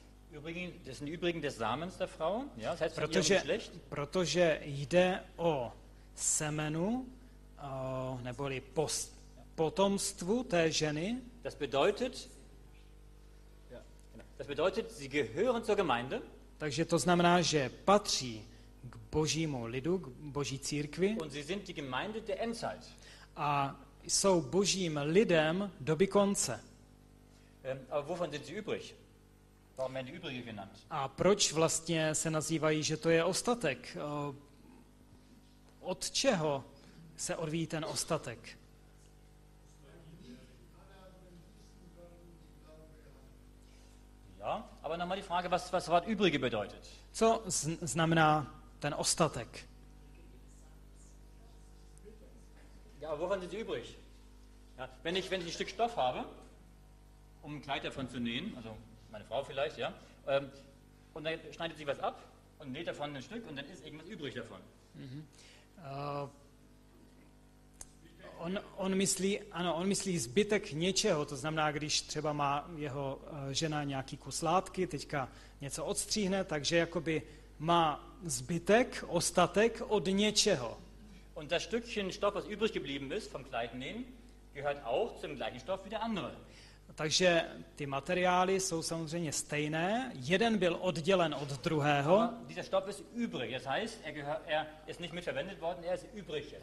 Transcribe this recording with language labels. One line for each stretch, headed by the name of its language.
German: Übrigen, das sind die übrigen des Samens der Frau, ja, das heißt
Czech: protože jde o semenu, neboli potomstvu té ženy.
German: Das bedeutet, sie gehören zur Gemeinde.
Czech: Takže to znamená, že patří k Božímu lidu, k Boží církvi.
German: Und sie sind die Gemeinde der Endzeit.
Czech: A jsou Božím lidem doby konce.
German: Aber wovon sind sie übrig? Warum werden die übrigen genannt?
Czech: A proč vlastně se nazývají, že to je ostatek? Od čeho se odvíjí ten ostatek?
German: Ja, aber nochmal die Frage, was Wort übrige bedeutet?
Czech: Co znamená ten ostatek?
German: Ja, wovon sind sie übrig? Ja, wenn ich ein Stück Stoff habe, ein Kleid davon zu nähen, also meine Frau vielleicht, ja, und dann schneidet sie was ab und näht davon ein Stück und dann ist irgendwas übrig davon.
Czech: On myslí zbytek něčeho, to znamená, když třeba má jeho žena nějaký kus látky, teďka něco odstříhne, takže jakoby má zbytek, ostatek od něčeho.
German: Und das Stückchen Stoff, was übrig geblieben ist vom Kleidnähen, gehört auch zum gleichen Stoff wie der andere.
Czech: Takže ty materiály jsou samozřejmě stejné, jeden byl oddělen od druhého.
German: Dieser Stoff ist übrig, das heißt, er ist nicht mitverwendet worden, er ist übrig jetzt.